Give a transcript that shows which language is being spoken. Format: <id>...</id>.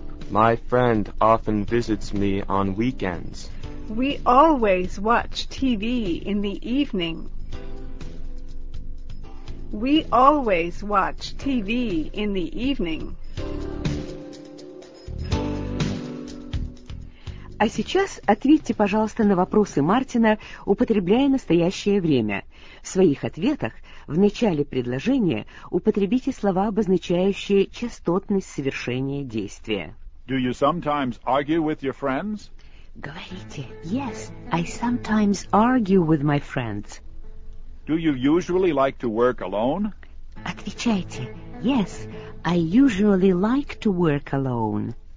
<en>My friend often visits me on weekends. We always watch TV in the evening. We always watch TV in the evening.</en> <ru>А сейчас ответьте, пожалуйста, на вопросы Мартина, употребляя настоящее время. В своих ответах в начале предложения употребите слова, обозначающие частотность совершения действия.</ru> <en>Do you sometimes argue with your friends?</en> <ru>Говорите.</ru> <en>Yes, I sometimes argue with my friends. Do you usually like to work alone?</en> <ru>Отвечайте.</ru> <en>Yes, I usually like to work alone.</en>